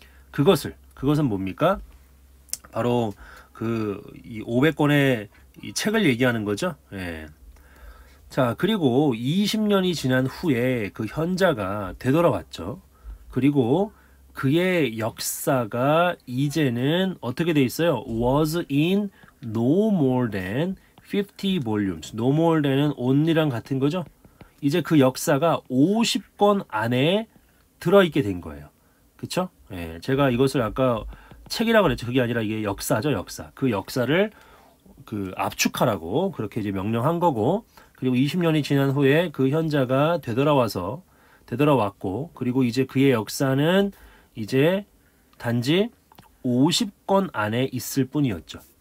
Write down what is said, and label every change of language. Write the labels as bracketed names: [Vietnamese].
[Korean] 그것은 뭡니까? 바로, 이 500권의 이 책을 얘기하는 거죠? 예. 자, 그리고 20년이 지난 후에 그 현자가 되돌아왔죠. 그리고, 그의 역사가 이제는 어떻게 돼 있어요? [English] Was in no more than 50 volumes. No more than [Korean] 은 only랑 같은 거죠? 이제 그 역사가 50권 안에 들어있게 된 거예요. 그쵸? 예, 제가 이것을 아까 책이라고 그랬죠. 그게 아니라 이게 역사죠, 역사. 그 역사를 압축하라고 그렇게 이제 명령한 거고, 그리고 20년이 지난 후에 그 현자가 되돌아왔고, 그리고 이제 그의 역사는 이제 단지 50권 안에 있을 뿐이었죠.